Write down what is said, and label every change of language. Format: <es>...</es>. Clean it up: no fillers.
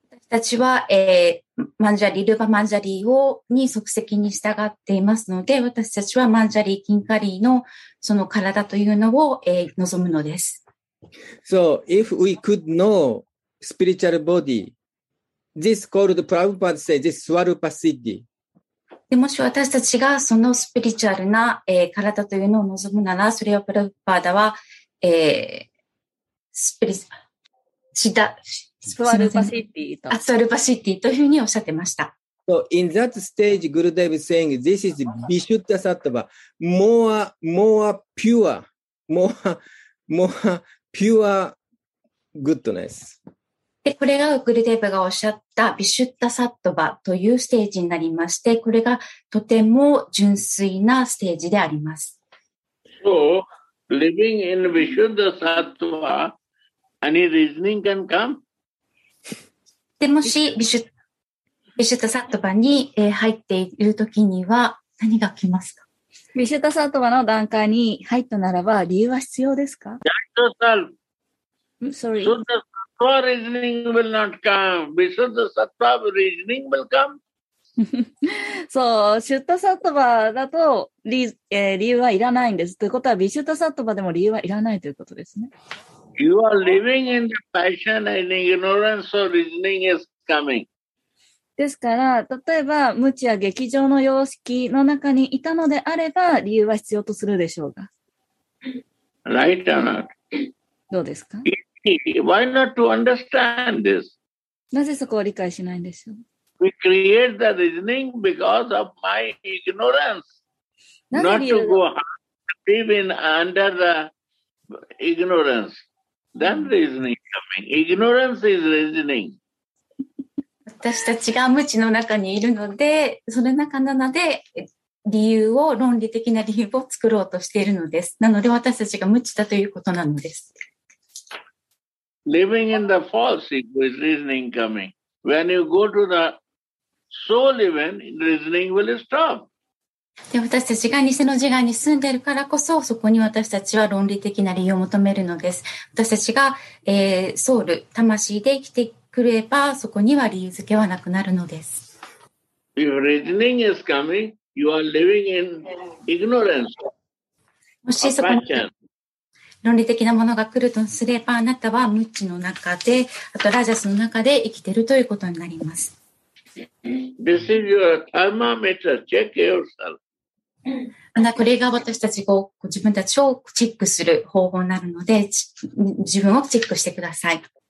<ja>私たちは、マンジャリ、ルーパマンジャリをに即席に従っていますので、私たちはマンジャリ、キンカリのその体というのを、望むのです。</ja> <en>So if we could know spiritual body, this called Prabhupada says this Swarupa Siddhi.</en> <ja>でもし私たちがそのスピリチュアルな、体というのを望むなら、それはプラパーダは、スピリチュアル、シダ、スワルパシティと。スワルパシティというふうにおっしゃってました。</ja> <en>So in that stage, Gurudev is saying this is Vishuddha Sattva, more pure, more, more pure goodness.</en> <ja>で、これがウクルデーブがおっしゃったビシュッタサットバというステージになりまして、これがとても純粋なステージであります。</ja> <en>So, living in Vishuddha Sattva, any reasoning can come?</en> <ja>でもしビシュッタサットバに入っているときには何が来ますか？ビシュッタサットバの段階に入ったならば理由は必要ですか？</ja> <en>That's yourself. Sorry. So the sattva reasoning will not come. Vishuddha sattva reasoning will come.</en> <ja>そう、シュッタサットバだと理由はいらないんです。ということは、ビシュッタサットバでも理由はいらないということですね。</ja> <en>You are living in the passion and ignorance, so reasoning is coming.</en> <ja>ですから、例えば、無知や劇場の様式の中にいたのであれば、理由は必要とするでしょうが。</ja> <en>Right or not?</en> <ja>どうですか？</ja> <en>Why not to understand this?</en> <ja>なぜそこを理解しないんでしょう？</ja> <en>We create the reasoning because of my ignorance. Not to go live in under the ignorance. Then reasoning coming. Ignorance is reasoning.</en> <ja>私たちが無知の中にいるので、その中なので、理由を、論理的な理由を作ろうとしているのです。なので私たちが無知だということなのです。</ja> <en>Living in the false ego is reasoning coming. When you go to the soul event, reasoning will stop.</en> <ja>で、私たちが偽の自我に住んでいるからこそ、そこに私たちは論理的な理由を求めるのです。私たちが、ソウル、魂で生きてくれば、そこには理由付けはなくなるのです。</ja> <en>If reasoning is coming, you are living in ignorance.</en> <ja>もしそこに論理的なものが来るとすれば、あなたは無知の中で、あとラジャスの中で生きているということになります。</ja> <en>This is your thermometer. Check yourself.</en> <ja>これが私たちが自分たちをチェックする方法になるので、自分をチェックしてください。</ja>